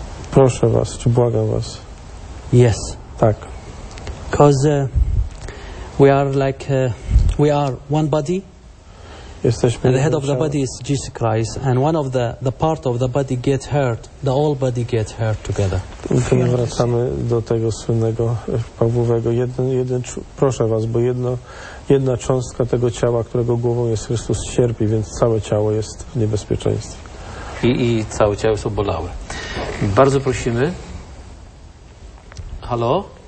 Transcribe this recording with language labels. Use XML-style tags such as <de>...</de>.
<pl>Proszę was, czy błagam was?</pl> <en>Yes.</en> <pl>Tak.</pl> <en>Because we are like, we are one body. And the head of the body is Jesus Christ, and one of the part of the body gets hurt, the whole body gets hurt together.</en> <pl>Wracamy do tego słynnego Pawłowego. Proszę was, bo jedna cząstka tego ciała, którego głową jest Chrystus, cierpi, więc całe ciało jest w niebezpieczeństwie. I całe ciało jest obolałe. Bardzo prosimy. Halo?</pl>